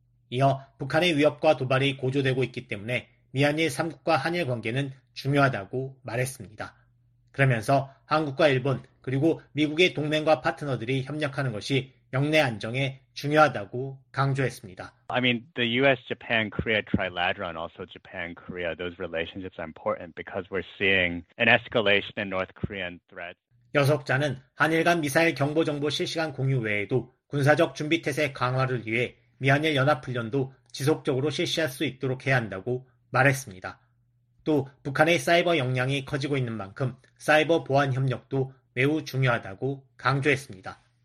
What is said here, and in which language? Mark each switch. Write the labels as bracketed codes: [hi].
[ko] 이어 북한의 위협과 도발이 고조되고 있기 때문에 미한일 3국과 한일 관계는 중요하다고 말했습니다. 그러면서 한국과 일본 그리고 미국의 동맹과 파트너들이 협력하는 것이 역내 안정에 중요하다고 강조했습니다. [en] I mean, the US, Japan, Korea trilateral and also Japan, Korea, those relationships are important because we're seeing an escalation in North Korean threat. [ko] 여석자는 한일 간 미사일 경보 정보 실시간 공유 외에도 군사적 준비 태세 강화를 위해 미한일 연합훈련도 지속적으로 실시할 수 있도록 해야 한다고 말했습니다. 또 북한의 사이버 역량이 커지고 있는 만큼 사이버 보안 협력도 매우 중요하다고 강조했습니다.